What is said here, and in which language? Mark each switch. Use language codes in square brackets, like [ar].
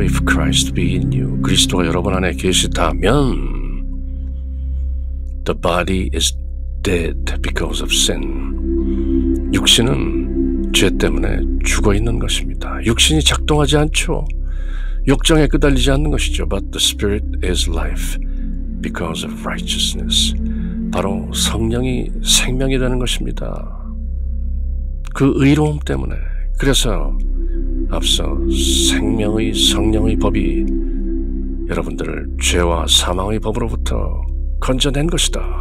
[en] If Christ be in you, [ko] 그리스도가 여러분 안에 계시다면 [en] the body is dead because of sin. [ko] 육신은 죄 때문에 죽어 있는 것입니다. 육신이 작동하지 않죠. 욕정에 끄달리지 않는 것이죠. [en] But the spirit is life because of righteousness. [ko] 바로 성령이 생명이 되는 것입니다. 그 의로움 때문에. 그래서 앞서 생명의 성령의 법이 여러분들을 죄와 사망의 법으로부터 건져낸 것이다.